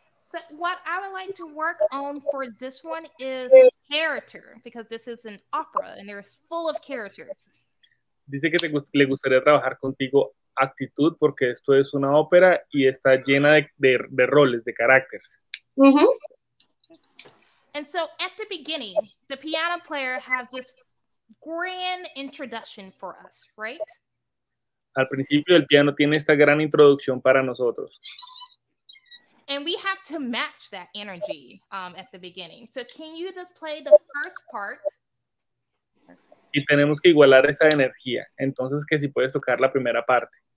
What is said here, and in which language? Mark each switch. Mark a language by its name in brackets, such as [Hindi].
[English] So what I would like to work on for this one is character, because this is an opera and there's full of characters. [Spanish] Dice que le gustaría trabajar contigo actitud porque esto es una ópera y está llena de roles, de caracteres. Mm-hmm. [English] And so at the beginning, the piano player has this grand introduction for us, right? [Spanish] Al principio, el piano tiene esta gran introducción para nosotros. [English] And we have to match that energy at the beginning. So can you just play the first part? [Spanish] Y tenemos que igualar esa energía. Entonces, que si puedes tocar la primera parte.